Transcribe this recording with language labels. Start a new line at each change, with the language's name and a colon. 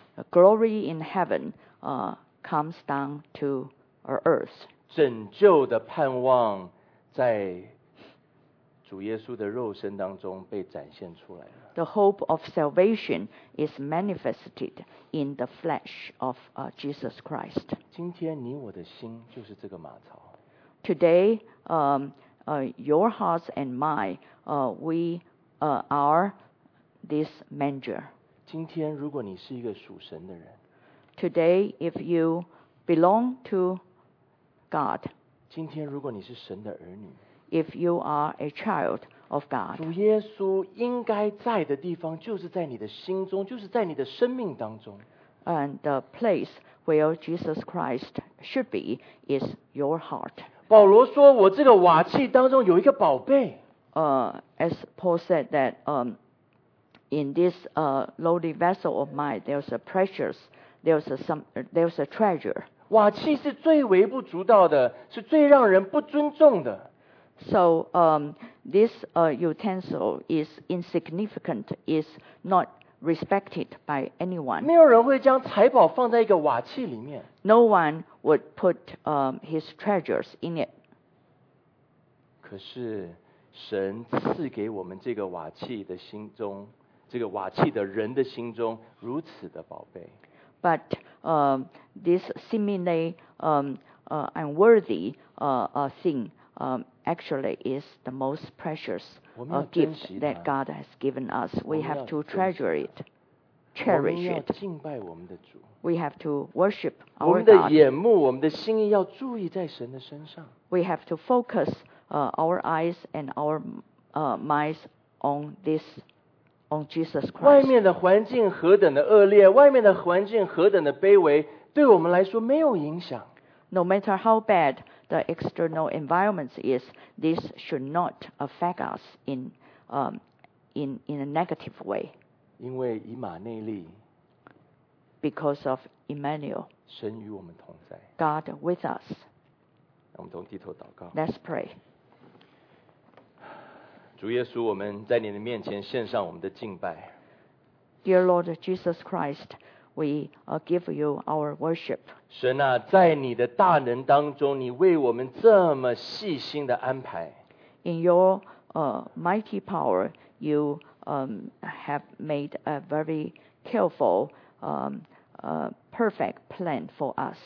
English: Glory in heaven comes down to earth.
Chinese: 拯救的盼望在主耶稣的肉身当中被展现出来了。
English: The hope of salvation is manifested in the flesh of Jesus Christ.
Chinese: 今天你我的心就是这个马槽。
English: Today, your hearts and mine, we are this manger.
Chinese: 今天如果你是一个属神的人，
English: Today, if you belong to God,
Chinese: 今天如果你是神的儿女，
English: if you are a child of God,
Chinese: 主耶稣应该在的地方就是在你的心中，就是在你的生命当中。
English: And the place where Jesus Christ should be is your heart.
Chinese: 保罗说：“我这个瓦器当中有一个宝贝。”
English: As Paul said that in this lowly vessel of mine, there's a precious, there's a treasure.
Chinese: 瓦器是最微不足道的，是最让人不尊重的。
English: So this utensil is insignificant, is not respected by anyone.
Chinese: 没有人会将财宝放在一个瓦器里面。
English: No one. Would put his treasures in it.
Chinese: 可是神赐给我们这个瓦器的心中，这个瓦器的人的心中如此的宝贝。
English: But this seemingly unworthy thing actually is the most precious gift that God has given us. We have to treasure it. Cherish it.
Chinese: 我们要敬拜我们的主。
English: We have to worship our God.
Chinese: 我们的眼目，我们的心意要注意在神的身上。
English: We have to focus our eyes and our minds on this, on Jesus Christ.
Chinese: 外面的环境何等的恶劣，外面的环境何等的卑微，对我们来说没有影响。
English: No matter how bad the external environment is, this should not affect us in a negative way.
Chinese: 因为以马内利
English: Because of Emmanuel
Chinese: 神与我们同在
English: God with us
Chinese: 我们都低头祷告
English: Let's pray
Chinese: 主耶稣我们在你的面前献上我们的敬拜
English: Dear Lord Jesus Christ We give you our worship
Chinese: 神啊在你的大能当中你为我们这么细心的安排
English: In your mighty power YouHave made a very careful, perfect plan for us.